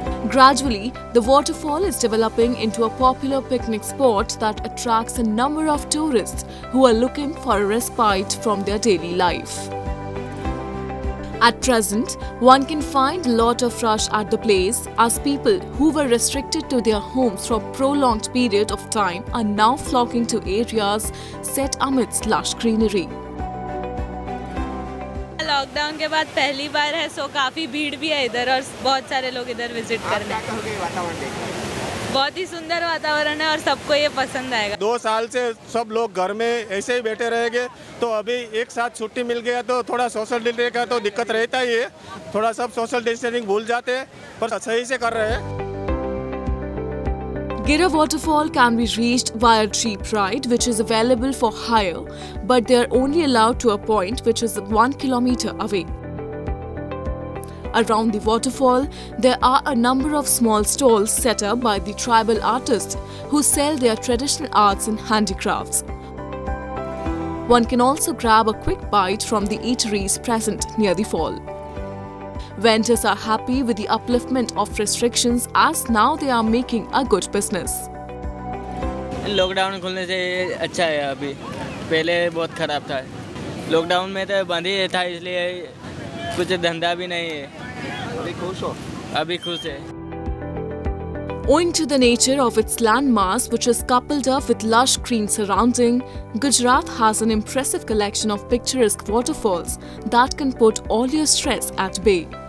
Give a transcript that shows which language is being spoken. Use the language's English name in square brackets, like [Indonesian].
[English] Gradually, the waterfall is developing into a popular picnic spot that attracts a number of tourists who are looking for a respite from their daily life. At present, one can find a lot of rush at the place as people who were restricted to their homes for a prolonged period of time are now flocking to areas set amidst lush greenery. [Hindi] Lockdown के बाद पहली बार है सो काफी भीड़ भी है इधर और बहुत सारे लोग इधर विजिट करने बहुत ही सुंदर वातावरण है और सबको ये पसंद आएगा दो साल से सब लोग घर में ऐसे ही बैठे रहेंगे तो अभी एक साथ छुट्टी मिल गया तो थोड़ा सोशल डिस्टेंसिंग का तो दिक्कत रहता ही है थोड़ा सब सोशल डिस्टेंसिंग भूल जाते हैं पर सही से कर रहे हैं [English] Gira waterfall can be reached via jeep ride, which is available for hire, but they are only allowed to a point which is 1 kilometer away. Around the waterfall, there are a number of small stalls set up by the tribal artists who sell their traditional arts and handicrafts. One can also grab a quick bite from the eateries present near the fall. Vendors are happy with the upliftment of restrictions as now they are making a good business. [Hindi] Lockdown खुलने से अच्छा है अभी पहले बहुत खराब था lockdown में तो बंद ही था इसलिए कुछ धंधा भी नहीं है अभी खुश हो अभी खुश है [English] Owing to the nature of its landmass, which is coupled up with lush green surrounding, Gujarat has an impressive collection of picturesque waterfalls that can put all your stress at bay.